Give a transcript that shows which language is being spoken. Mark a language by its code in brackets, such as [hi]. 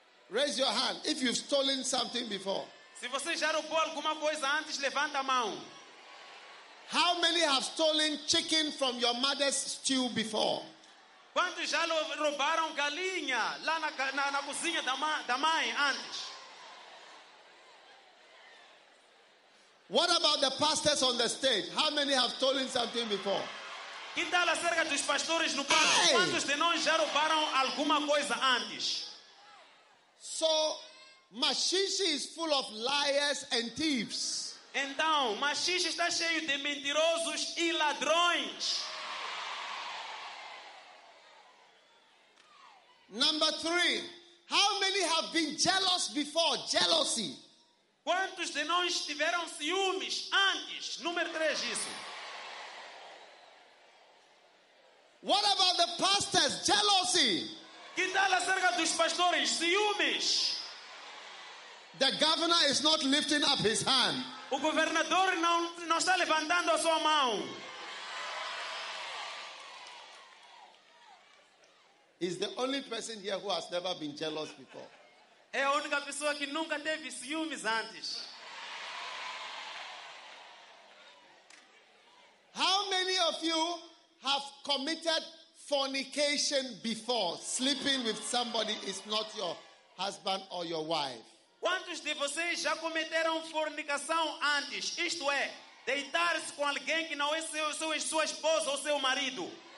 [en] Raise your hand if you've stolen something before. [pt] Se você já roubou alguma coisa antes, levanta a mão. [en] How many have stolen chicken from your mother's stew before? [pt] Quantos já roubaram galinha lá na cozinha da mãe antes? [en] What about the pastors on the stage? How many have stolen something before? [pt] Que tal acerca dos pastores no palco? Quantos de nós já roubaram alguma coisa antes? [en] So, Maxixe is full of liars and thieves. [pt] Então, Maxixe está cheio de mentirosos e ladrões. [en] Number three, how many have been jealous before? Jealousy. [pt] Quantos de nós tiveram ciúmes antes? Número três, isso. [en] What about the pastors? Jealousy. [pt] Que tal acerca dos pastores? Ciúmes. [en] The governor is not lifting up his hand. [pt] O governador não está levantando a sua mão. [en] He's the only person here who has never been jealous before. [pt] É a única pessoa que nunca teve ciúmes antes. [en] How many of you have committed fornication before? Sleeping with somebody is not your husband or your wife. [pt] Quantos de vocês já cometeram fornicação antes? Isto é, deitar-se com alguém que não é sua esposa ou seu marido.